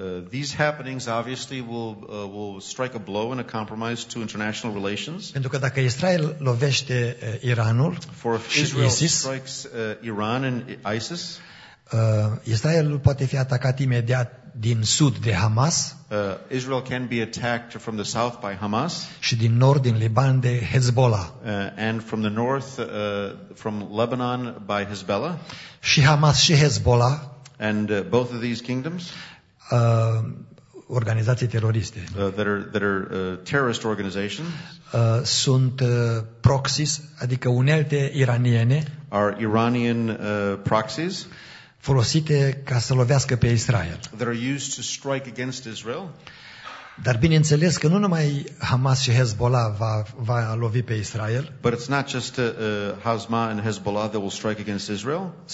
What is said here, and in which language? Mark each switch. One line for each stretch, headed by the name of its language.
English: These happenings obviously will strike a blow and a compromise to international relations.
Romanian: Pentru că dacă Israel lovește Iranul și
English: Israel ISIS, strikes Iran and ISIS,
Romanian: Israel poate fi atacat imediat din sud de Hamas.
English: Israel can be attacked from the south by Hamas.
Romanian: Și din nord din Liban de Hezbollah.
English: And from the north from Lebanon by Hezbollah.
Romanian: Și Hamas și Hezbollah.
English: And both of these kingdoms.
Romanian: Organizații teroriste.
English: That are terrorist organizations.
Romanian: Sunt proxies, adică unelte iraniene.
English: Are Iranian proxies.
Romanian: Folosite ca să lovească pe Israel.
English: That are used to strike against Israel.
Romanian: Dar bineînțeles că nu numai Hamas și Hezbollah va lovi pe Israel.
English: But it's not just Hamas and Hezbollah that will strike against Israel.